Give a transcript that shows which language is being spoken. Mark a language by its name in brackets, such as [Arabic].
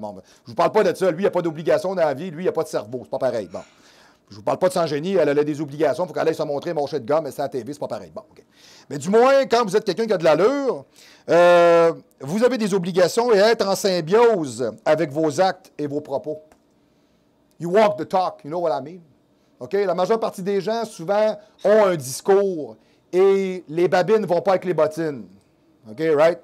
[French] Bon, ben, je vous parle pas de ça. Lui, il a pas d'obligation dans la vie. Lui, il a pas de cerveau. C'est pas pareil, bon. Je vous parle pas de son génie, elle a des obligations, il faut qu'elle aille se montrer mon chef de gars, mais c'est à la TV, c'est pas pareil. Bon, OK. Mais du moins, quand vous êtes quelqu'un qui a de l'allure, vous avez des obligations et être en symbiose avec vos actes et vos propos. [English] You walk the talk, you know what I mean? OK? [French] La majeure partie des gens, souvent, ont un discours et les babines vont pas avec les bottines. OK, [English] right?